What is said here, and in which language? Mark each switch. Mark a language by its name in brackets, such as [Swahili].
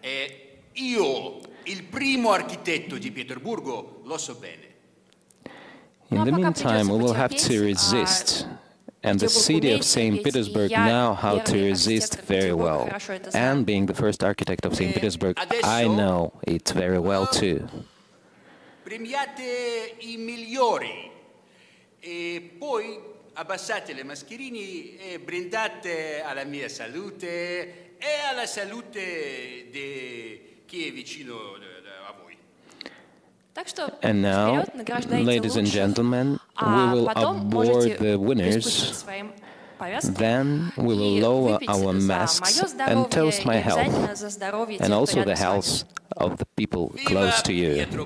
[Italian] E io, il primo architetto di Pietroburgo, lo so bene. [English] In the meantime, we will have to resist, and the city of St. Petersburg know how to resist very well. And being the first architect of St. Petersburg, I know it very well too. [Italian] Premiate i migliori, e poi abbassate le mascherine e brindate alla mia salute e alla salute di chi è vicino a voi. [English] And now, ladies and gentlemen, we will award the winners, then we will lower our masks and toast my health, and also the health of the people close to you.